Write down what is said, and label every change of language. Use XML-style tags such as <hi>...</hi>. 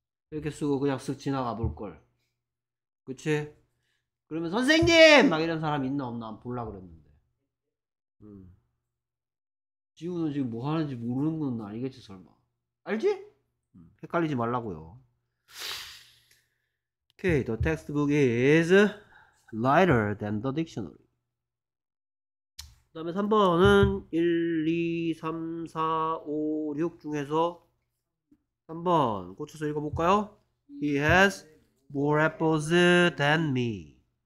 <ko>이렇게 쓰고 그냥 쓱 지나가 볼 걸. 그렇지? 그러면 선생님 막 이런 사람 있나 없나 볼라 그랬는데. 지우는 지금 뭐 하는지 모르는 건 아니겠지 설마. 알지? 헷갈리지 말라고요.</ko> <en>Okay, the textbook is lighter than the dictionary.</en> <ko>그다음에 3번은 1, 2, 3, 4, 5, 6 중에서 3번 고쳐서 읽어볼까요?</ko> <en>He has more apples than me.</en>